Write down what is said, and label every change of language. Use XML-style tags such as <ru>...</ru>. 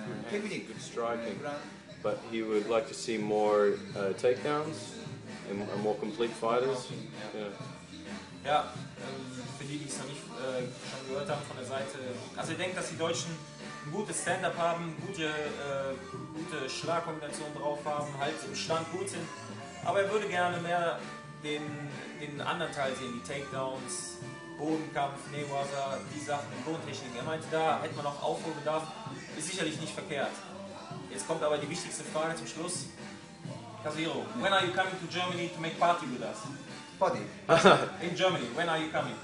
<en>Good striking, but he would like to see more takedowns. and more complete fighters.</en> <de>Ja, für die, die es noch nicht schon gehört haben von der Seite. Also ich denke, dass die Deutschen ein gutes Stand-up haben, gute Schlagkombinationen drauf haben, halt im Stand gut sind. Aber er würde gerne mehr den anderen Teil sehen, die Takedowns, Bodenkampf, Mayweather, die Sachen, die Bodentechnik. Er meinte, da hätte man noch Aufholbedarf. Ist sicherlich nicht verkehrt. Jetzt kommt aber die wichtigste Frage zum Schluss.</de> <en>Kazuhiro, when are you coming to Germany to make party with us? Party. In Germany, when are you coming?</en>